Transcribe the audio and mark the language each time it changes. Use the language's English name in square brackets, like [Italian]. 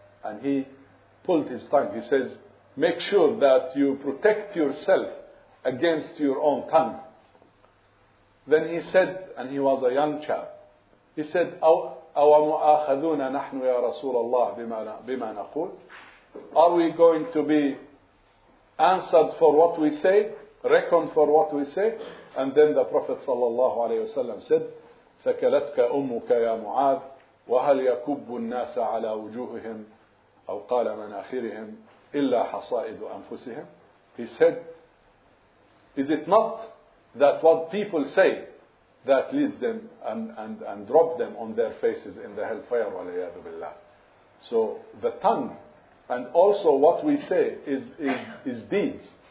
[English] And he pulled his tongue. He says, make sure that you protect yourself against your own tongue. Then he said, and he was a young chap, he said, [Arabic] أَوَمُؤَاخَذُونَ نَحْنُ يَا رَسُولَ اللَّهِ بِمَا نَقُولَ. [English] Are we going to be answered for what we say, reckoned for what we say? And then the Prophet sallallahu alayhi wa sallam said, [Arabic] فَكَلَتْكَ أُمُّكَ يَا مُعَاذ وَهَلْ يَكُبُّ النَّاسَ عَلَى وُجُوهِهِمْ أَوْ قَالَ مَنَاخِرِهِمْ إِلَّا حَصَائِدُ أَنفُسِهِمْ. [English] He said, is it not that what people say that leads them and drop them on their faces in the hellfire, [Arabic] وَلَيَاذُ بِاللَّهِ. [English] So the tongue and also what we say is deeds.